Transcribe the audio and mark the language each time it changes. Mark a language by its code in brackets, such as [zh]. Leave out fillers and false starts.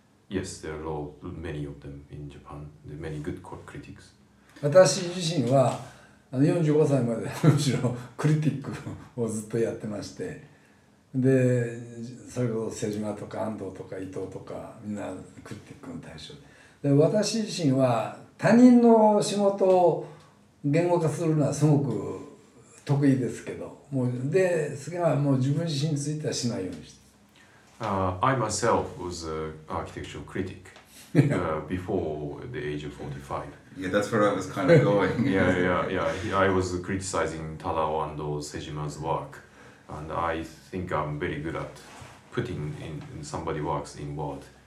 [en] Yes, there are many of them in Japan. There are many good critics. [ja] 私自身は45歳までもちろんクリティックをずっとやってまして、で、それこそ瀬島とか安藤とか伊藤とかみんなクリティックの対象で、で、私自身は他人の仕事を言語化するのはすごく得意ですけど、もうで、それはもう自分自身についてはしないようにして。 [en] I myself was an architectural critic before the age of 45. Yeah, that's where I was kind of going. yeah. I was criticizing Tadao Ando Sejima's work And I think I'm very good at putting in somebody's works in word.